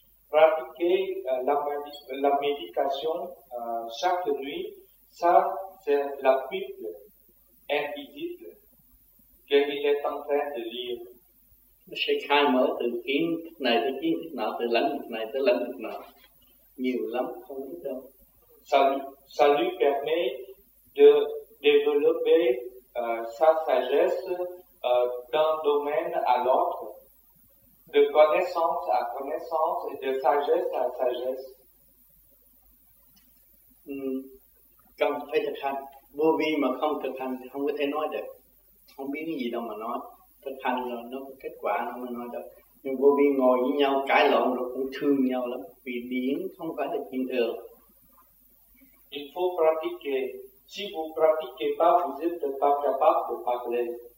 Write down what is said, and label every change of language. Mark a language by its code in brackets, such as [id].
[fr] Pratiquer la méditation chaque nuit, ça c'est la Bible invisible qu'il est en train de lire. [vi] Nó sẽ khai mở từ kiến này tới kiến nào, từ lãnh vực này tới lãnh vực nào, nhiều lắm không biết đâu. [fr] Ça lui permet de développer sa sagesse d'un domaine à l'autre, de connaissance à connaissance et de sagesse à sagesse. [vi] Cần phải thực hành, vô vi mà không thực hành thì không có thể nói được, không biết cái gì đâu mà nói. Thực hành là nó có kết quả nó mới nói được. Nhưng vô vi ngồi với nhau cãi lộn rồi cũng thương nhau lắm, vì điển không phải là chuyện thường. [fr] Il faut pratiquer. Si vous pratiquez pas, vous êtes pas capable de parler.